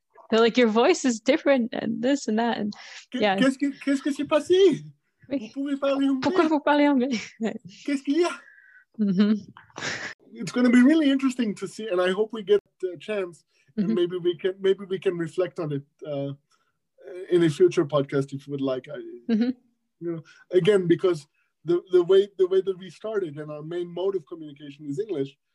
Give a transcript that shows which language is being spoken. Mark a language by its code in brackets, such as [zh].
[en] They're like, your voice is different and this and that. And, yeah. [fr] Qu'est-ce qui s'est passé? Vous pouvez parler anglais? Pourquoi vous parlez anglais? Qu'est-ce qu'il y a? Mm-hmm. [en] It's going to be really interesting to see, and I hope we get a chance. Mm-hmm. And maybe we can reflect on it in a future podcast if you would like. Mm-hmm. You know, again, because the way that we started and our main mode of communication is English.